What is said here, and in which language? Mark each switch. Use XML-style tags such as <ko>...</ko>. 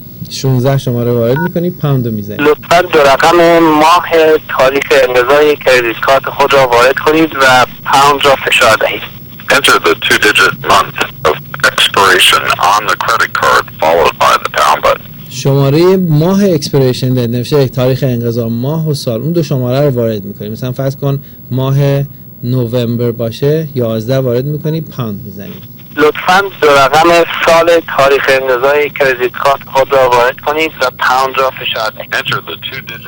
<fa>شونزه شماره وارد میکنی پوند رو میزنی. لطفا دو رقم ماه تاریخ انقضای کردیت کارت خود را وارد کنید و پوند را فشار دهید.</fa> <en>Enter the two digit month of expiration on the credit card followed by the pound button.</en> <fa>شماره ماه اکسپریشن ده نوشته تاریخ انقضا ماه و سال، اون دو شماره رو وارد میکنی. مثلا فرض کن ماه نوامبر باشه 11 وارد میکنی پوند میزنی. لطفاً دو رقم سال تاریخ انقضای کردیت کارت خود را وارد کنید و پوند را فشار دهید.</fa>